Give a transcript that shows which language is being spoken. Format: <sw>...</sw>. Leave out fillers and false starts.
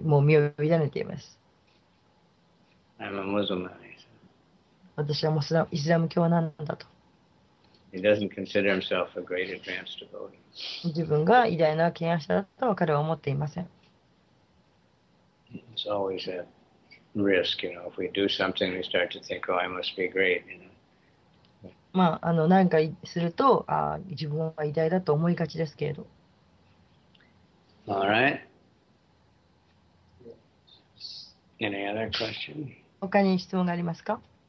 <ja>もう身を委ねています。</ja> <en>I'm a Muslim, man, he said.</en> <ja>私はイスラム教なんだと。</ja> <en>He doesn't consider himself a great advanced devotee.</en> <ja>自分が偉大な啓蒙者だとは彼は思っていません。</ja> <en>It's always a risk, you know, if we do something, we start to think, oh, I must be great, you know.</en> <ja>まあ、何かすると、自分は偉大だと思いがちですけれど。</ja> <en>All right. Any other question?</en> <ja>他に質問がありますか？</ja>